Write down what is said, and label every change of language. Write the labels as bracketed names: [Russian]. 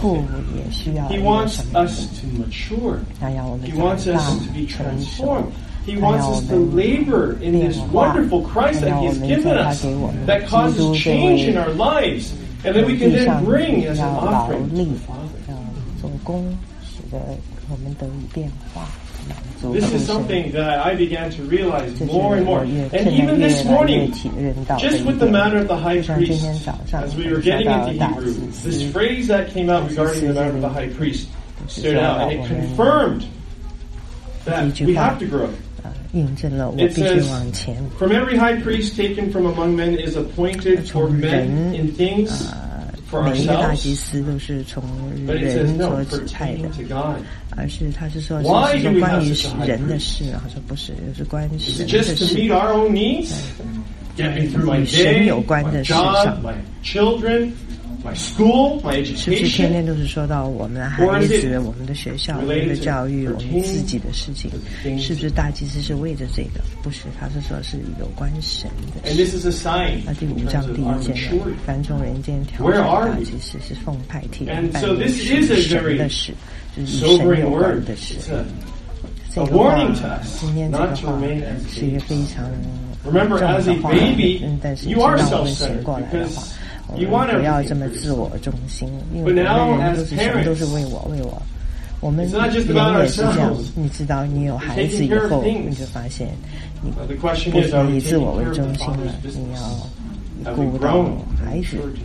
[Chinese] 父也需要 [English] He wants us to mature. He wants us to be transformed. He wants us to labor in this wonderful Christ that He has given us that causes change in our lives and that we can then bring as an offering to the Father. [Chinese] 做工使得我们得以变化 [English] This is something that I began to realize more and more. And even this morning, just with the matter of the high priest, as we were getting into Hebrew, this phrase that came out regarding the matter of the high priest stood out, and it confirmed that we have to grow. It says, from every high priest taken from among men is appointed for men in things for ourselves, but it says, no, pertaining to God. [Chinese] 而是他是说这是关于人的事他说不是是关于神的事 [English] Is it just to meet our own needs? Get me through my day, my job, my children, my school, my education [Chinese] 是不是天天都是说到我们的孩子我们的学校我们的教育我们自己的事情是不是大祭司是为着这个不是他是说是有关神的事 [English] And this is a sign [Chinese] 那第五章第一件凡从人间挑选大祭司是奉派替人办的事是神的事 [English] Sobering word. It's a warning to us not to remain as babies. Remember, as a baby, you are self-centered because [Chinese] 头人，不要这么自我中心，因为每个人都是什么都是为我为我。我们人也是这样，你知道，你有孩子以后，你就发现你不能以自我为中心了，你要顾到孩子。